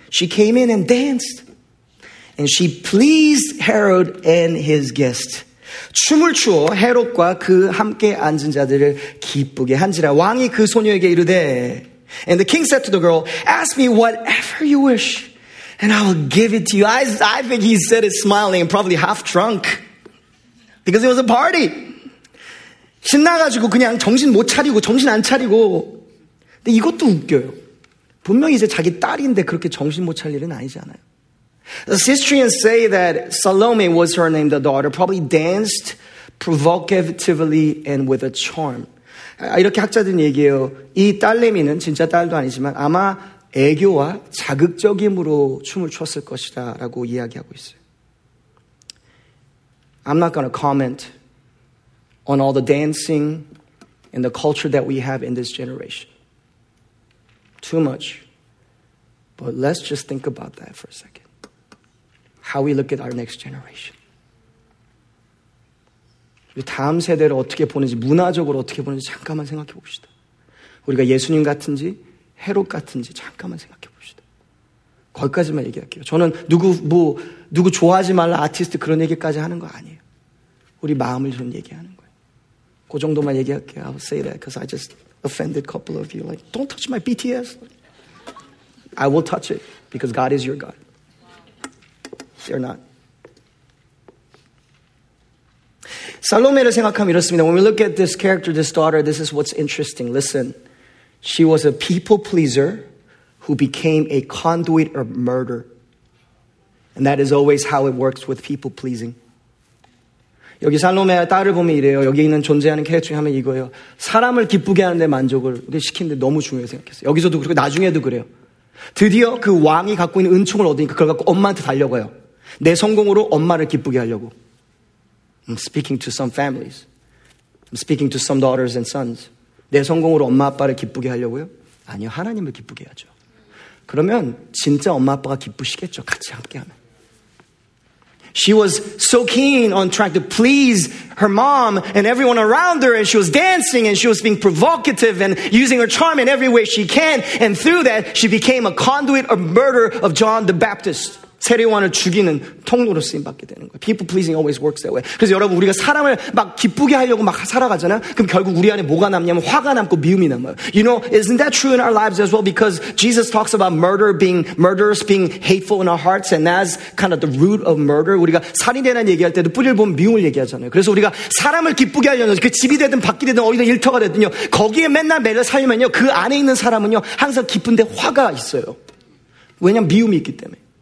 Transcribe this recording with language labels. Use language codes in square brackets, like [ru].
[en] She came in and danced. And she pleased Herod and his guests. [ko] 춤을 추어 헤롯과 그 함께 앉은 자들을 기쁘게 한지라. 왕이 그 소녀에게 이르되, [en] And the king said to the girl, Ask me whatever you wish, and I will give it to you. I think he said it smiling, probably half drunk, because it was a party. [ko] 신나가지고 그냥 정신 못 차리고 정신 안 차리고. 근데 이것도 웃겨요. 분명히 이제 자기 딸인데 그렇게 정신 못 차릴 일은 아니잖아요. [en] The historians say that Salome was her name, the daughter, probably danced provocatively and with a charm. [ko] 이렇게 학자들은 얘기해요. 이 딸내미는 진짜 딸도 아니지만 아마 애교와 자극적임으로 춤을 췄을 것이다 라고 이야기하고 있어요. [en] I'm not going to comment on all the dancing and the culture that we have in this generation. Too much. But let's just think about that for a second. How we look at our next generation. [ko] 우리 다음 세대를 어떻게 보는지, 문화적으로 어떻게 보는지 잠깐만 생각해 봅시다. 우리가 예수님 같은지 헤롯 같은지 잠깐만 생각해 봅시다. 거기까지만 얘기할게요. 저는 누구 좋아하지 말라, 아티스트 그런 얘기까지 하는 거 아니에요. 우리 마음을 좀 얘기하는 거예요. 그 정도만 얘기할게요. [en] I'll say that because I just offended a couple of you. Like, don't touch my BTS. I will touch it because God is your God. They're not. [ko] 살로메를 생각하면 이렇습니다. [en] When we look at this character, this daughter, this is what's interesting. Listen, she was a people pleaser who became a conduit of murder. And that is always how it works with people pleasing. [ko] 여기 살로메의 딸을 보면 이래요. 여기 있는 존재하는 캐릭터 하면 이거예요. 사람을 기쁘게 하는데 만족을 시키는데 너무 중요해 생각했어요. 여기서도 그렇고 나중에도 그래요. 드디어 그 왕이 갖고 있는 은총을 얻으니까 그걸 갖고 엄마한테 달려가요. 내 성공으로 엄마를 기쁘게 하려고. [en] I'm speaking to some families. I'm speaking to some daughters and sons. [ko] 내 성공으로 엄마 아빠를 기쁘게 하려고요? 아니요, 하나님을 기쁘게 하죠. 그러면 진짜 엄마 아빠가 기쁘시겠죠, 같이 함께하면. [en] She was so keen on trying to please her mom and everyone around her, and she was dancing and she was being provocative and using her charm in every way she can, and through that she became a conduit of murder of John the Baptist. [ko] 세례요한을 죽이는 통로로 쓰임받게 되는 거예요. [en] People pleasing always works that way. [ko] 그래서 여러분, 우리가 사람을 막 기쁘게 하려고 막 살아가잖아요. 그럼 결국 우리 안에 뭐가 남냐면 화가 남고 미움이 남아요. [en] You know, isn't that true in our lives as well? Because Jesus talks about murder being murderous, being hateful in our hearts, and that's kind of the root of murder. [ko] 우리가 살인이라는 얘기할 때도 뿌리를 보면 미움을 얘기하잖아요. 그래서 우리가 사람을 기쁘게 하려면 그 집이 되든 밖이 되든 어디든 일터가 되든요, 거기에 맨날 매를 살면요, 그 안에 있는 사람은요 항상 기쁜데 화가 있어요. 왜냐면 미움이 있기 때문에.